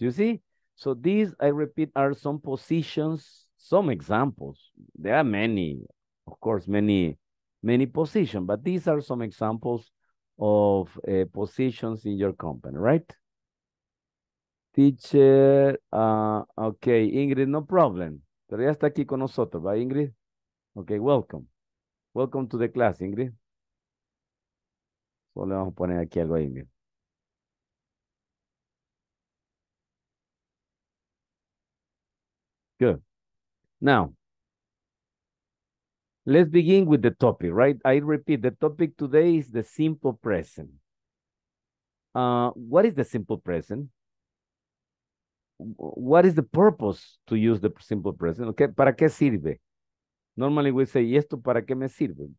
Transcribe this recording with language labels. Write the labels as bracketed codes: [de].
[en] You see, so these, I repeat, are some positions, some examples. There are many, of course, many, many positions, but these are some examples of positions in your company, right? Teacher, okay, Ingrid, no problem. [es] Pero ya está aquí con nosotros, ¿va, Ingrid? [en] Okay, welcome. Welcome to the class, Ingrid. [es] Solo le vamos a poner aquí algo a Ingrid. [en] Good. Now, let's begin with the topic, right? I repeat, the topic today is the simple present. What is the simple present? What is the purpose to use the simple present? [es] Okay, ¿para qué sirve? [en] Normally we say, [es] ¿y esto para qué me sirve?